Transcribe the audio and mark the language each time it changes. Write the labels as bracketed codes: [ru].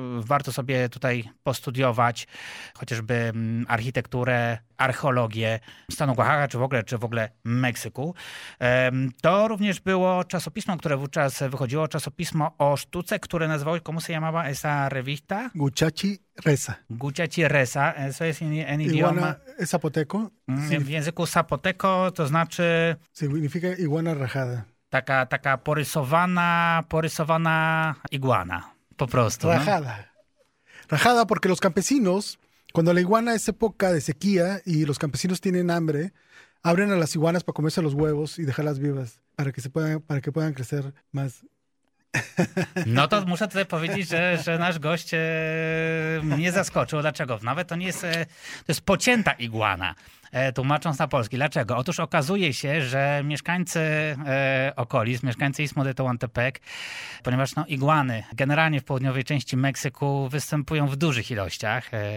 [pl] Warto sobie tutaj postudiować chociażby architekturę, archeologię stanu Oaxaca czy w ogóle Meksyku. To również było czasopismo, które wówczas wychodziło, czasopismo o sztuce, które nazywało się, [es] komu se llamaba esa revista? Guchachi Reza. Guchachi Reza, eso es en idioma... Iguana zapoteco. [pl] W języku zapoteco to znaczy... [es] Significa iguana rajada. [pl] Taka porysowana iguana, po prostu. [es] Rajada. ¿No? Rajada porque los campesinos, cuando la iguana es época de sequía y los campesinos tienen hambre, abren a las iguanas para comerse los huevos y dejarlas vivas para que puedan crecer más. [pl] No to muszę tutaj powiedzieć, że nasz gość mnie zaskoczył. Dlaczego? Nawet to nie jest, to jest pocięta iguana. Tłumacząc na polski. Dlaczego? Otóż okazuje się, że mieszkańcy okolic, mieszkańcy Istmo de Tehuantepec, ponieważ no, igłany generalnie w południowej części Meksyku występują w dużych ilościach.